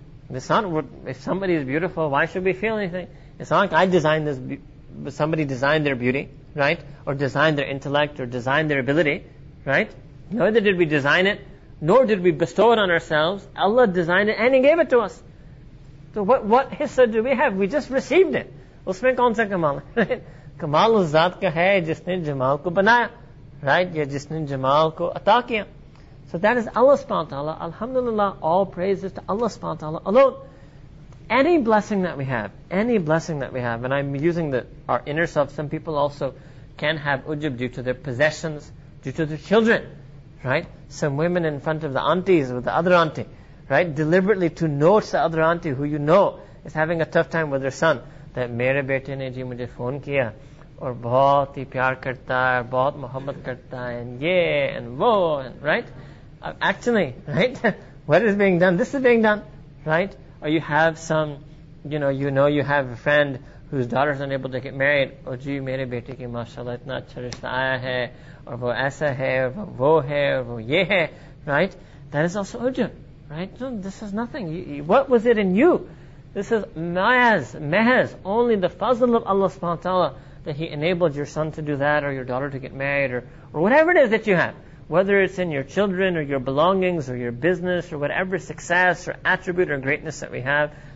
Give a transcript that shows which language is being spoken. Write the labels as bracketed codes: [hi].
[en] It's not, if somebody is beautiful, why should we feel anything? It's not like I designed this, but somebody designed their beauty, right? Or designed their intellect, or designed their ability, right? Neither did we design it, nor did we bestow it on ourselves. Allah designed it and He gave it to us. So what حصہ do we have? We just received it. [ur] اس میں کون سا کمال؟ کمال اس ذات کا ہے جس نے جمال کو بنایا۔ [en] Right? [ur] یا جس نے جمال کو عطا کیا۔ [en] So that is Allah subhanahu wa ta'ala. الحمدللہ, all praises to Allah subhanahu wa ta'ala alone. Any blessing that we have, and I'm using our inner self, some people also can have ujub due to their possessions, due to their children. Right? Some women in front of the aunties with the other auntie, right? Deliberately to note the other auntie who you know is having a tough time with her son. [ur] That میرے بیٹے نے جی مجھے phone کیا، اور بہت ہی پیار کرتا ہے، بہت محبت کرتا ہے، and یہ and وہ، and right? [en] Actually, right? What is being done? This is being done, right? Or you have some, you know you have a friend whose daughter is unable to get married. [ur] اوہ جی، میرے بیٹے کی ماشاءاللہ اتنا اچھا رشتہ آیا ہے، or وہ ایسا ہے، or وہ ہے، or وہ یہ ہے، right? [en] That is also ujub, right? No, this is nothing. What was it in you? This is mehaz, only the fazl of Allah subhanahu wa ta'ala that He enabled your son to do that, or your daughter to get married, or whatever it is that you have. Whether it's in your children, or your belongings, or your business, or whatever success, or attribute, or greatness that we have.